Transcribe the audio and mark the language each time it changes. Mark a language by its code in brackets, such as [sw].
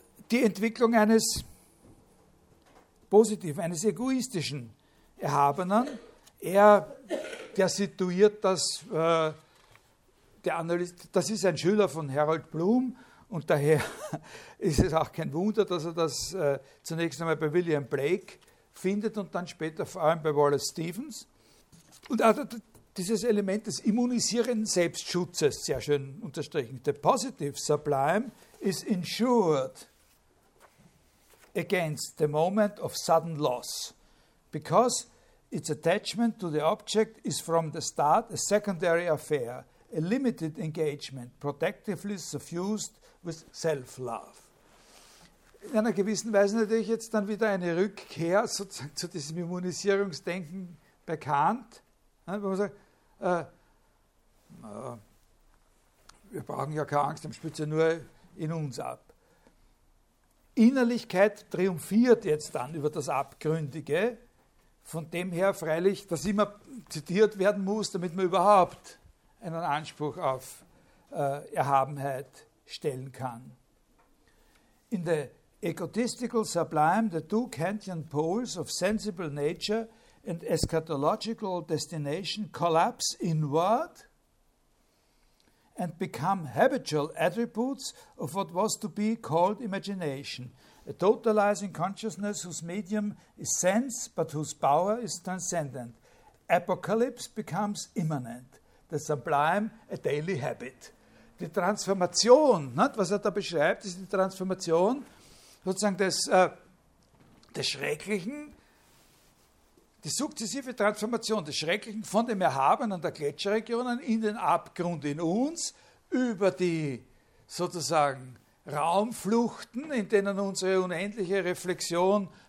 [de] die Entwicklung eines positiven, eines egoistischen Erhabenen, der situiert das, das ist ein Schüler von Harold Bloom und daher ist es auch kein Wunder, dass er das zunächst einmal bei William Blake findet und dann später vor allem bei Wallace Stevens. Und auch dieses Element des immunisierenden Selbstschutzes, sehr schön unterstrichen. [en] The positive sublime is insured against the moment of sudden loss, because its attachment to the object is from the start a secondary affair, a limited engagement, protectively suffused with self-love. [de] In einer gewissen Weise natürlich jetzt dann wieder eine Rückkehr sozusagen zu diesem Immunisierungsdenken bei Kant, wo man sagt, wir brauchen ja keine Angst, dann spielt es ja nur in uns ab. Innerlichkeit triumphiert jetzt dann über das Abgründige, von dem her freilich, dass immer zitiert werden muss, damit man überhaupt einen Anspruch auf Erhabenheit stellen kann. In der [en] egotistical sublime, the two Kantian poles of sensible nature and eschatological destination collapse inward and become habitual attributes of what was to be called imagination, a totalizing consciousness whose medium is sense but whose power is transcendent. Apocalypse becomes immanent, the sublime a daily habit. [de] Die Transformation, was er da beschreibt, ist die Transformation sozusagen des Schrecklichen, die sukzessive Transformation des Schrecklichen von dem Erhabenen der Gletscherregionen in den Abgrund in uns, über die sozusagen Raumfluchten, in denen unsere unendliche Reflexion